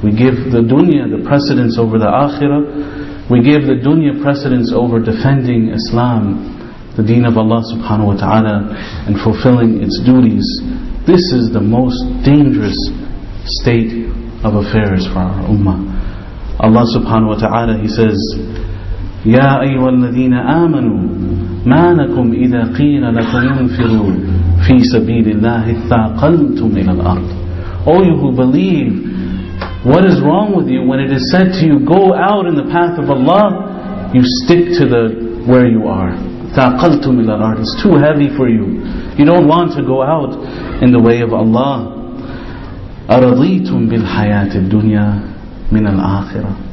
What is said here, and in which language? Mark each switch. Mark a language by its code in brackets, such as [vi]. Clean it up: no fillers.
[en] We give the dunya the precedence over the akhirah. We give the dunya precedence over defending Islam, the deen of Allah subhanahu wa ta'ala, and fulfilling its duties. This is the most dangerous state of affairs for our ummah. Allah subhanahu wa ta'ala, He says, [ar] يَا أَيُّوَا الَّذِينَ آمَنُوا مَا لَكُمْ إِذَا قِيلَ لَتَنْفِرُوا فِي سَبِيلِ اللَّهِ اثَّاقَلْتُمْ إِلَى الْأَرْضِ. [en] O you who believe, what is wrong with you when it is said to you, go out in the path of Allah, you stick to the where you are. [ar] ثَاقَلْتُمْ إِلَى الْأَرْضِ. [en] It's too heavy for you. You don't want to go out in the way of Allah. [ar] أَرَضِيتُمْ بِالْحَيَاةِ الدُّنْيَا مِنَ الْآخِرَةِ.